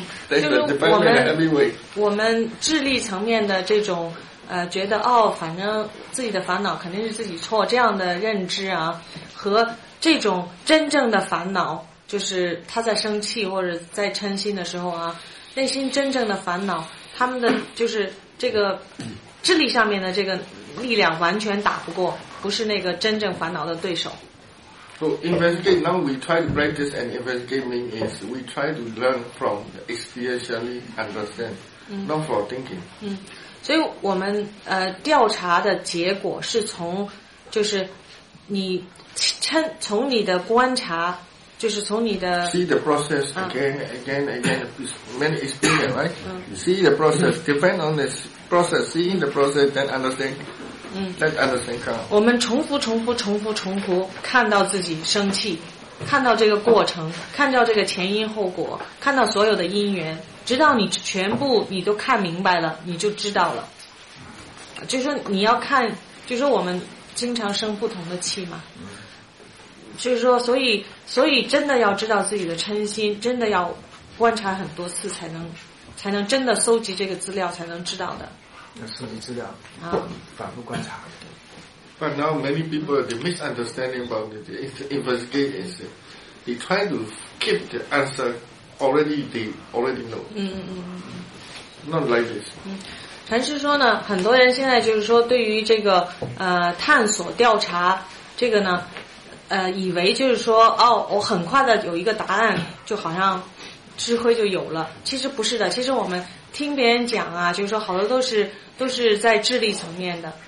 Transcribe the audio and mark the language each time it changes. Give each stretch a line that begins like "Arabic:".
Chinese: 就是我们智力层面的这种觉得反正自己的烦恼肯定是自己错，这样的认知啊，和这种真正的烦恼，就是他在生气或者在嗔心的时候啊，内心真正的烦恼，他们的就是这个智力上面的这个力量完全打不过，不是那个真正烦恼的对手。
English: So investigate now we try to practice and investigate mean is we try to learn from the experientially understand, not for thinking.
Chinese: 所以我们调查的结果是从就是你。从你的观察就是从你的
English: see the process again again again many experience right see the process depend on this process seeing the process then understand let understand come
Chinese: 我们重复重复重复重复看到自己生气看到这个过程看到这个前因后果看到所有的因缘直到你全部你都看明白了你就知道了就是说你要看就是说我们经常生不同的气嘛就是说所以真的要知道自己的嗔心真的要观察很多次才能真的搜集这个资料才能知道的要搜集资料啊，反复观察
English: But now many people are misunderstanding about it. It's investigating. They try to keep the answer already they already know. Not like this.
Chinese: 禅师说呢，很多人现在就是说对于这个探索调查这个呢，以为就是说哦，我很快的有一个答案，就好像智慧就有了。其实不是的，其实我们听别人讲啊，就是说好多都是在智力层面的。